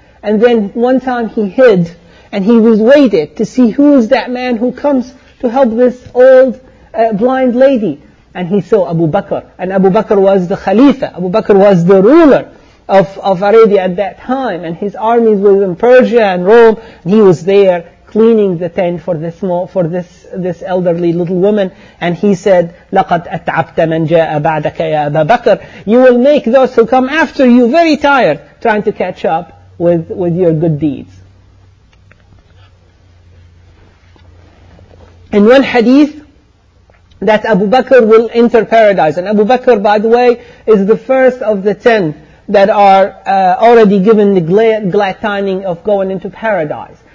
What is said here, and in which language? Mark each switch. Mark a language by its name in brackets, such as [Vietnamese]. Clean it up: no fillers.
[English] And then one time he hid, and he was waited to see who is that man who comes to help this old blind lady. And he saw Abu Bakr. And Abu Bakr was the Khalifa. Abu Bakr was the ruler of Arabia at that time. And his armies were in Persia and Rome. And he was there cleaning the tent for this small, for this elderly little woman. And he said, [Arabic] لَقَدْ أَتْعَبْتَ مَنْ جَاءَ بَعْدَكَ يَا أَبَا بَكْرَ. [English] You will make those who come after you very tired trying to catch up with your good deeds. In one hadith, that Abu Bakr will enter paradise. And Abu Bakr, by the way, is the first of the ten that are already given the glad timing of going into paradise.